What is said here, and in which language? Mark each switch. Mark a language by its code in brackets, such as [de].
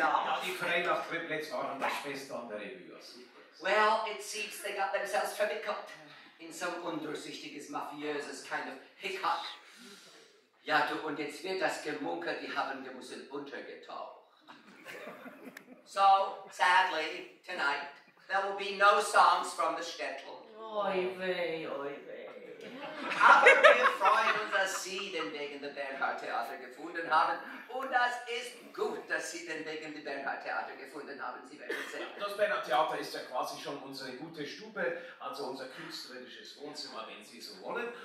[de] Ja, die Freilach-Triplets waren das Beste an der Revue. [en] Well, it seems they got themselves [de] verwickelt [en] in some [de] undurchsichtiges, mafiöses [en] kind of hiccup. [de] Ja, du, und jetzt wird das gemunkert, die haben gemusst untergetaucht. [en] So, sadly, tonight, there will be no songs from the Städtl. Oi weh, oi weh. [de] Aber wir freuen uns, dass Sie den Weg in die Bernhard-Theater gefunden haben. Und das ist gut, dass Sie den Weg in die Bernhard-Theater gefunden haben. Sie werden sehen. Das Bernhard-Theater ist ja quasi schon unsere gute Stube, also unser künstlerisches Wohnzimmer, wenn Sie so wollen.